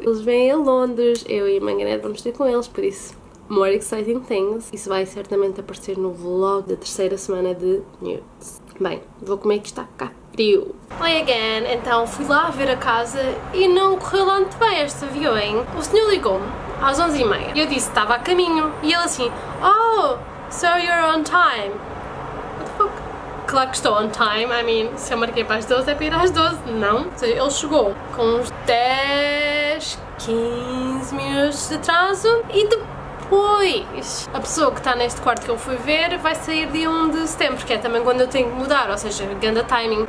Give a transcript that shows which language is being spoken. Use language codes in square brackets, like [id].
[pt] Eles vêm a Londres, eu e a Mangané vamos ter com eles, por isso, [en] more exciting things. [pt] Isso vai certamente aparecer no vlog da terceira semana de Newts. Bem, vou comer que está cá frio. Oi again! Então fui lá ver a casa e não correu lá muito bem este avião, hein? O senhor ligou-me às 11h30 e eu disse que estava a caminho. E ele assim: [en] Oh, so you're on time. [pt] Claro que estou on time, [en] I mean, [pt] se eu marquei para as 12 é para ir às 12, não? Ele chegou com uns 10, 15 minutos de atraso e depois Pois, a pessoa que está neste quarto que eu fui ver vai sair dia 1 de setembro, que é também quando eu tenho que mudar, ou seja, ganda timing.